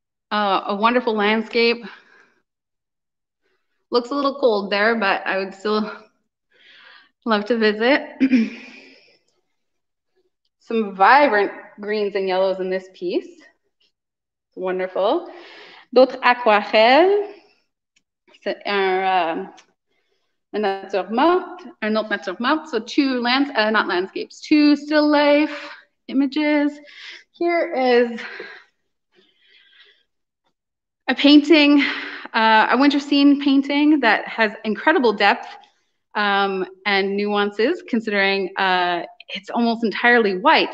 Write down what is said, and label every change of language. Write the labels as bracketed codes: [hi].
[en] A wonderful landscape. Looks a little cold there, but I would still love to visit. Some vibrant greens and yellows in this piece. It's wonderful. [fr] D'autres aquarelles. C'est un nature morte, un autre nature morte. [en] So two lands, not landscapes, two still life images. Here is a painting, a winter scene painting that has incredible depth and nuances, considering it's almost entirely white.